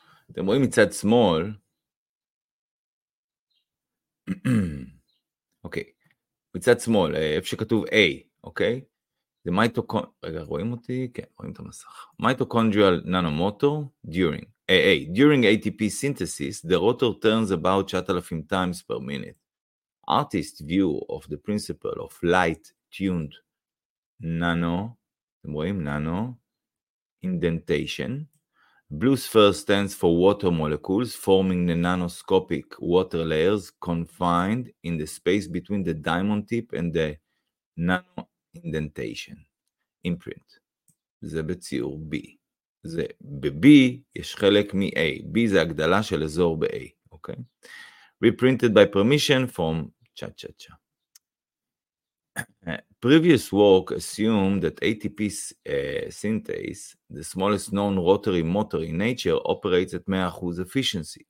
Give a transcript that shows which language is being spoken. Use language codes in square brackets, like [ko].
[he] אתם רואים מצד שמאל, אוקיי, מצד שמאל, איפה שכתוב A, אוקיי? זה מייטוקונדריאל, רגע, רואים אותי? כן, רואים את המסך. [en] מייטוקונדריאל ננומוטור, דיורינג. AA, during ATP synthesis, the rotor turns about 9,000 times per minute. Artist view of the principle of light-tuned nano, [he] אתם רואים? [en] Nano, indentation. Blue's first stands for water molecules, forming the nanoscopic water layers confined in the space between the diamond tip and the nano indentation. [he] Imprint. זה בציור B. זה ב-B יש חלק מ-A, B זה הגדלה של אזור ב-A, אוקיי? [en] Reprinted by permission from [he] צ'ה צ'ה צ'ה. [en] Previous work assumed that ATP synthase, the smallest known rotary motor in nature, operates at 100% efficiency.